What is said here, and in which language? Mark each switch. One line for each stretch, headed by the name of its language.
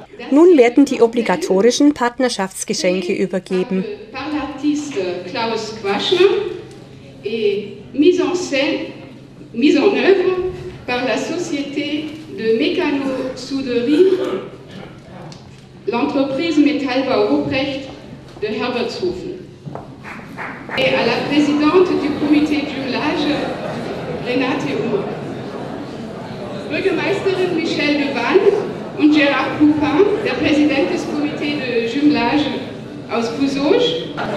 German: Nun werden die obligatorischen Partnerschaftsgeschenke übergeben.
French: Par l'artiste Klaus Quaschner et mise en scène, mise en œuvre par la société de mécano-souderie, l'entreprise Metallbau Ruprecht de Herbertshofen. Et à la présidente du comité du village, Renate Uhr.
German: Bürgermeisterin Michelle de Vannes. Und Gérard Poupin, der Präsident des Komitees de Jumelage aus Pouzauge.